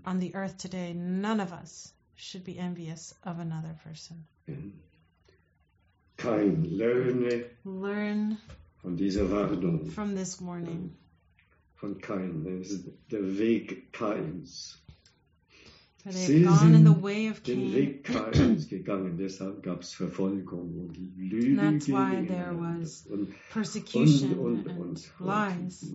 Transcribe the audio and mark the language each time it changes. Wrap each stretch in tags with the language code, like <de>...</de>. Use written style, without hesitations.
<en>On the earth today, none of us should be envious of another person.</en> <de>Kein lerne</de> <en>Learn</en> <de>von dieser Warnung.</de> <en>From this warning.</en> <de>Von Kain. Das ist der Weg Kains.</de> <en>For they have gone in the way of Cain.</en> <de>Weg Kains gegangen, deshalb gab's Verfolgung und Lügen.</de> <en>And that's why there was persecution and lies.</en>